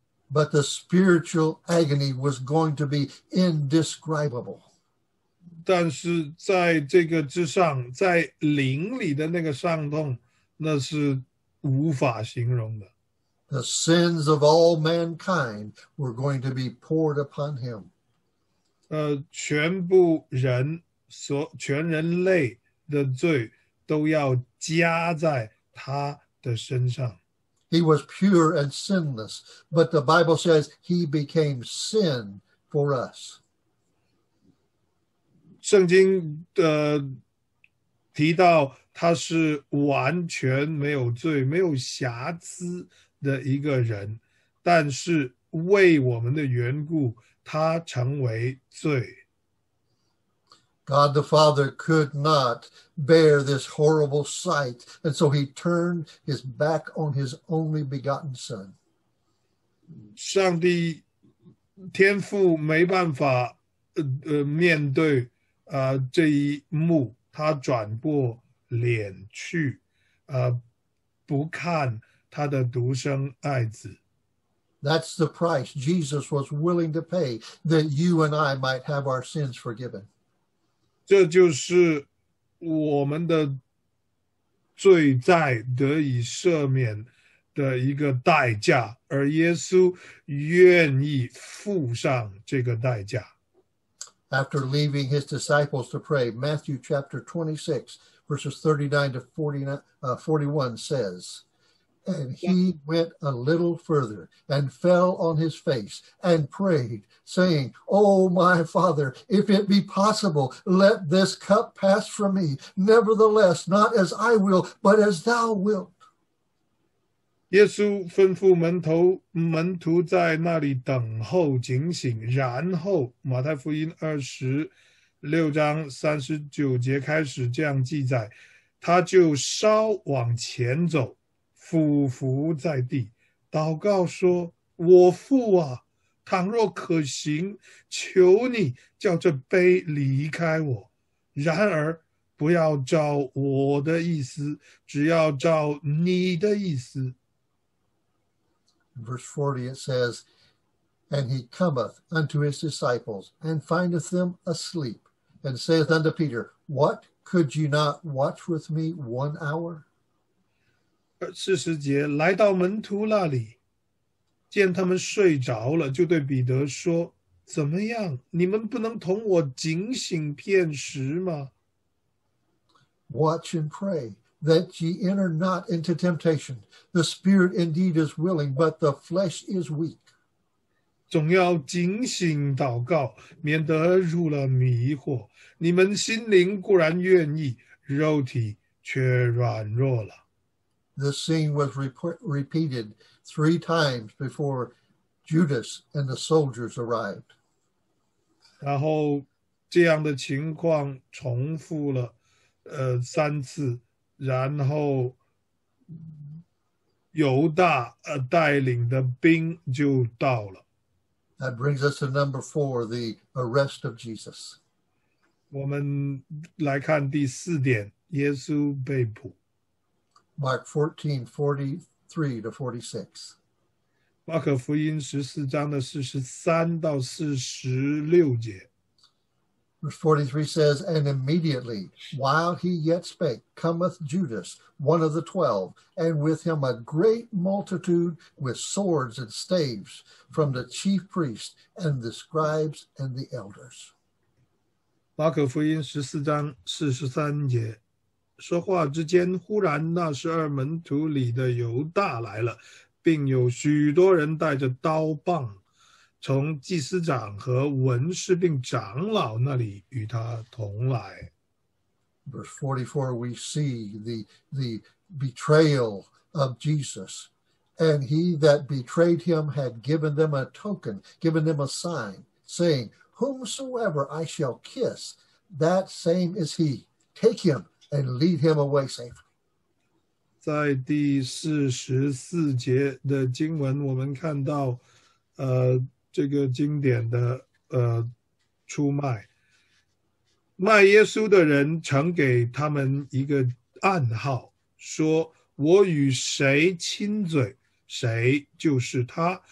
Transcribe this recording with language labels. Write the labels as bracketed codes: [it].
[en] But the spiritual agony was going to be indescribable. [zh] 但是在这个之上，在灵里的那个伤痛，那是无法形容的。 [en] The sins of all mankind were going to be poured upon him. [zh] 全部人所全人类的罪都要加在他的身上。 [en] He was pure and sinless, but the Bible says he became sin for us. [zh] 圣经提到他是完全没有罪、没有瑕疵的一个人，但是为我们的缘故，他成为罪。 [en] God the Father could not bear this horrible sight, and so he turned his back on his only begotten Son. [zh] 上帝天父没办法面对这一幕，他转过脸去，不看他的独生爱子。 [en] That's the price Jesus was willing to pay that you and I might have our sins forgiven. [zh] 这就是我们的罪债得以赦免的一个代价，而耶稣愿意付上这个代价。 [en] After leaving his disciples to pray, Matthew chapter 26, verses 39 to 41 says,And he went a little further and fell on his face and prayed, saying, Oh, my Father, if it be possible, let this cup pass from me. Nevertheless, not as I will, but as thou wilt. [zh] 耶稣吩咐门徒在那里等候警醒，然后马太福音二十六章三十九节开始这样记载，他就稍往前走。俯伏在地，祷告说：我父啊，倘若可行，求你叫这杯离开我，然而不要照我的意思，只要照你的意思。 [en] Verse 40, it says, And he cometh unto his disciples, and findeth them asleep, and saith unto Peter, What, could you not watch with me 1 hour? [zh] 40节, 来到门徒那里, 见他们睡着了, 就对彼得说, 怎么样, 你们不能同我警醒片时吗? [en] Watch and pray. That ye enter not into temptation. The spirit indeed is willing, but the flesh is weak. [zh] 总要警醒祷告，免得入了迷惑。你们心灵固然愿意，肉体却软弱了。 [en] This scene was repeated 3 times before Judas and the soldiers arrived. [zh] 然后这样的情况重复了，三次。然后犹大带领的兵就到了。 [en] That brings us to number 4, the arrest of Jesus. [zh] 我们来看第四点，耶稣被捕。 [en] Mark 14, 43 to 46. [zh] 马可福音14章的43到46节。 [en] Verse 43 says, And immediately, while he yet spake, cometh Judas, one of the 12, and with him a great multitude with swords and staves from the chief priests and the scribes and the elders. [zh] 马可福音14章43节，说话之间，忽然那12门徒里的犹大来了，并有许多人带着刀棒。从祭司长和文士并长老那里与他同来。 [en] Verse 44, we see the betrayal of Jesus. And he that betrayed him had given them a token, given them a sign, saying, Whomsoever I shall kiss, that same is he. Take him and lead him away safely. [zh] 在第44节的经文我们看到这个经典的出卖，卖耶稣的人曾给他们一个暗号，说：“我与谁亲嘴，谁就是他。